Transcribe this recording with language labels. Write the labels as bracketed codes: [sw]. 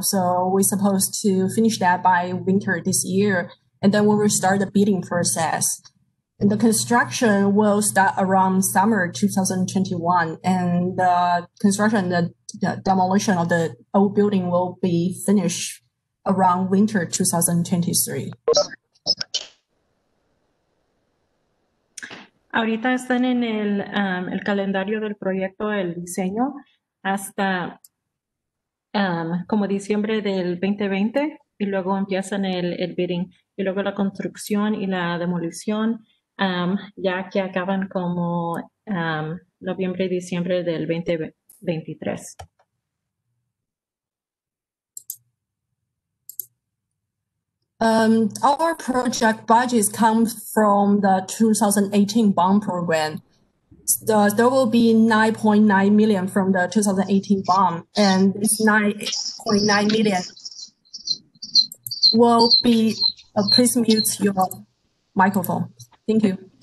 [en] So we're supposed to finish that by winter this year, and then we will start the bidding process. And the construction will start around summer 2021, and the construction, the demolition of the old building will be finished around winter 2023. [es] Ahorita están en el calendario del proyecto, el diseño, hasta como diciembre del 2020, y luego empiezan el bidding. Y luego la construcción y la demolición, ya que acaban como noviembre y diciembre del 2023. [en] Our project budget comes from the 2018 bond program. There will be 9.9 million from the 2018 bond, and this 9.9 million will be, please mute your microphone. Thank you.